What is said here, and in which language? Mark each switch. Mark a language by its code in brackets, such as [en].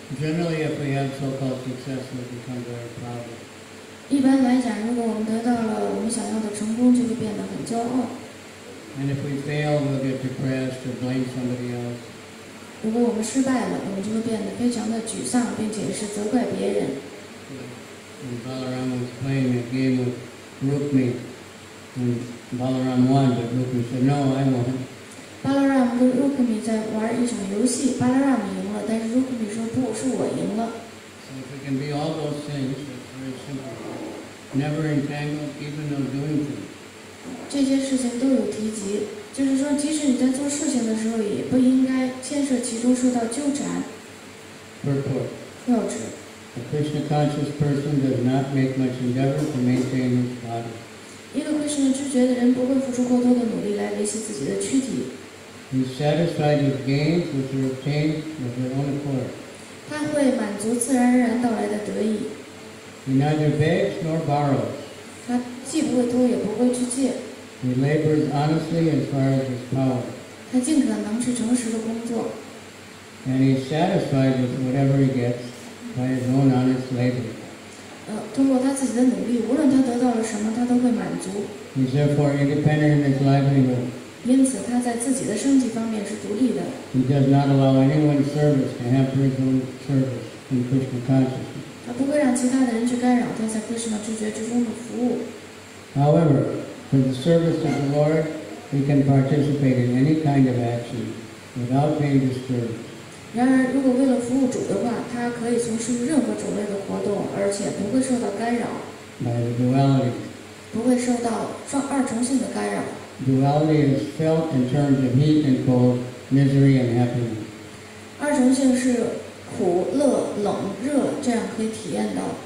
[en] Generally, if we have so-called success, we become very proud. [zh] 一般来讲，如果我们得到了我们想要的成功，就会变得很骄傲。 [en] And if we fail, we'll get depressed or blame somebody else. [zh] 如果我们失败了，我们就会变得非常的沮丧，并且是责怪别人。 [en] When Balaram was playing a game with Rukmi, and Balaram won, but Rukmi said, "No, I won." [zh] 巴拉拉姆跟鲁克米在玩一场游戏，巴拉拉姆赢了，但是鲁克米说不是我赢了。 [en] So if we can be all those things, it's very simple. Never entangled, even though doing things. [zh] 这些事情都有提及，就是说，即使你在做事情的时候，也不应该牵涉其中受到纠缠。 [en] Purport. [zh] 要旨。 [en] A Krishna conscious person does not make much endeavor to maintain his body. [zh] 一个 Krishna 知觉的人不会付出过多的努力来维系自己的躯体。 [en] He's satisfied with gains which are obtained with their own accord. [zh] 他会满足自然而然到来的得意。 [en] He neither begs nor borrows. [zh] 他既不会偷也不会去借。 [en] He labors honestly as far as his power. [zh] 他尽可能去诚实的工作。 [en] And he's satisfied with whatever he gets by his own honest labor. [zh] 通过他自己的努力，无论他得到了什么，他都会满足。 [en] He's therefore independent in his livelihood. [zh] 因此，他在自己的生计方面是独立的。 [en] He does not allow anyone's service to hamper his own service in Krishna consciousness. [zh] 他不会让其他的人去干扰他在 Krishna 知觉之中的服务。 [en] However, for the service of the Lord, he can participate in any kind of action without being disturbed. [zh] 然而，如果为了服务主的话，他可以从事任何种类的活动，而且不会受到干扰。 [en] By the duality. [zh] 不会受到二重性的干扰。 [en] Duality is felt in terms of heat and cold, misery and happiness. [zh] 二重性是苦、乐、冷、热，这样可以体验到。